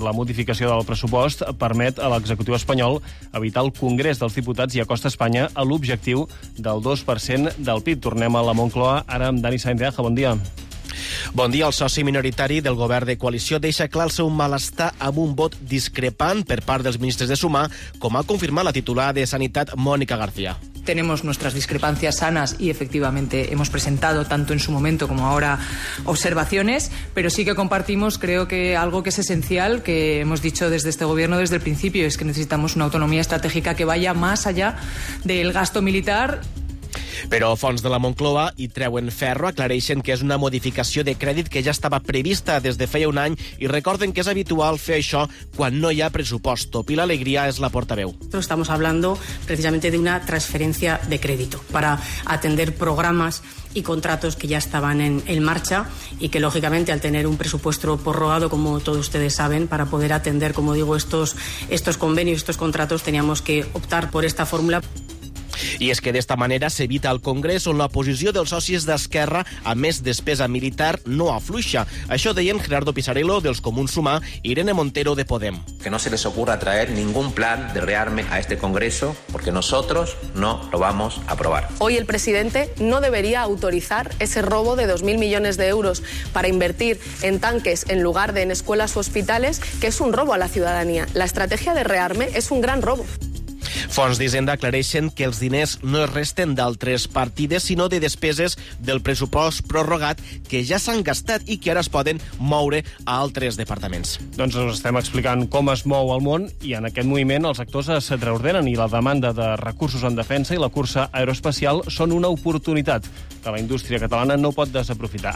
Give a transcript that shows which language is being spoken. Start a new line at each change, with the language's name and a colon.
Catalan: La modificació del pressupost permet a l'executiu espanyol evitar el Congrés dels Diputats i acosta Espanya a l'objectiu del 2% del PIB. Tornem a la Moncloa, ara amb Dani Sáenz de Aja. Bon dia. Bon dia. El soci minoritari del govern de coalició deixa clar el seu malestar amb un vot discrepant per part dels ministres de Sumar, com ha confirmat la titular de Sanitat, Mònica García.
Spanish: Tenemos nuestras discrepancias sanas y efectivamente hemos presentado tanto en su momento como ahora observaciones, pero sí que compartimos, creo que algo que es esencial, que hemos dicho desde este gobierno desde el principio, es que necesitamos una autonomía estratégica que vaya más allá del gasto militar.
Catalan: Però fons de la Moncloa i treuen ferro, aclareixen que és una modificació de crèdit que ja estava prevista des de feia un any i recorden que és habitual fer això quan no hi ha pressupost. Pilar Alegría és la portaveu.
Spanish: Estamos hablando precisamente de una transferencia de crédito para atender programas y contratos que ya estaban en marcha y que, lógicamente, al tener un presupuesto prorrogado, como todos ustedes saben, para poder atender, como digo, estos convenios, estos contratos, teníamos que optar por esta fórmula.
Catalan: I és que d'esta manera s'evita el Congrés, on la posició dels socis d'Esquerra a més despesa militar no afluixa. Això deien Gerardo Pisarello dels Comuns Sumar i Irene Montero de Podem.
Spanish: Que no se les ocurra traer ningún plan de rearme a este Congreso, porque nosotros no lo vamos a aprobar. Hoy el presidente no debería autorizar ese robo de 2.000 millones de euros para invertir en tanques en lugar de en escuelas o hospitales, que es un robo a la ciudadanía. La estrategia de rearme es un gran robo.
Catalan: Fons d'Hisenda aclareixen que els diners no es resten d'altres partides, sinó de despeses del pressupost prorrogat que ja s'han gastat i que ara es poden moure a altres departaments. Doncs us estem explicant com es mou el món i en aquest moviment els actors es reordenen i la demanda de recursos en defensa i la cursa aeroespacial són una oportunitat que la indústria catalana no pot desaprofitar.